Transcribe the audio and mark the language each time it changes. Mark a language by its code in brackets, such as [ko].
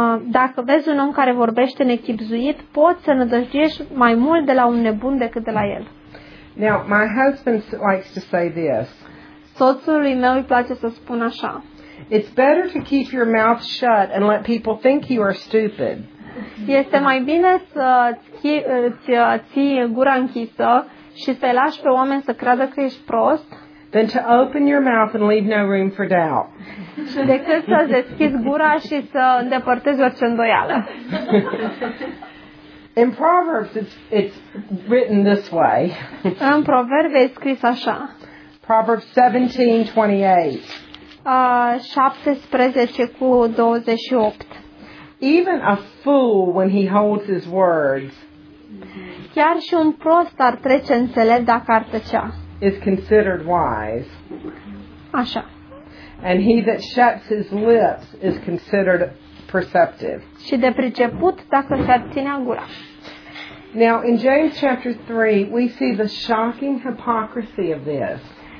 [ro] Dacă vezi un om care vorbește nechipzuit, poți să nădăjduiești mai mult de la un nebun decât de la el. [en] Now, my husband likes to say this. [ro] Soțului meu îi place să spun așa. [en] It's better to keep your mouth shut and let people think you are stupid. [ro] Este mai bine să ții gura închisă și să lași pe oameni să creadă că ești prost. [en] Than to open your mouth and leave no room for doubt. [ro] Decât să deschizi gura și să îndepărtezi orice îndoială. [en] In Proverbs it's written this way. [ro] În Proverbe e scris așa. [en] Proverbs 17:28. Even a fool when he holds his words. [ro] Chiar și un prost ar trece înțelept dacă ar tăcea. [en] Is considered wise. [ro] Așa. [en] And he that shuts his lips is considered perceptive. [ro] Și de priceput dacă se ține gura. [en] Now in James chapter 3 we see the shocking hypocrisy of this.